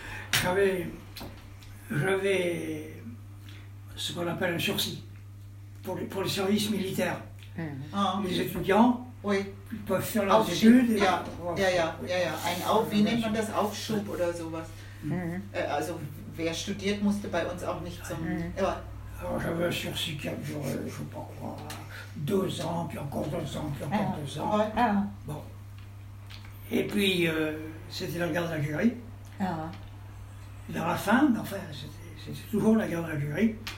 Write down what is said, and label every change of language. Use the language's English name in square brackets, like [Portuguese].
[French] J'avais ce qu'on appelle un sursis pour les services militaires. Mmh. Les étudiants oui. Ils peuvent faire leurs études. Oui, oui, oui. [German] Wie nennt man das? Aufschub oder sowas. Mmh. Also, wer studiert, musste bei uns auch nicht zum. [French] Mmh. Ouais. J'avais un sursis qui a duré, je ne sais pas quoi. Deux ans, puis encore deux ans, puis encore deux ans. Ouais. Bon. Et puis, c'était la guerre d'Algérie. Vers la fin, mais enfin, c'était toujours la guerre d'Algérie.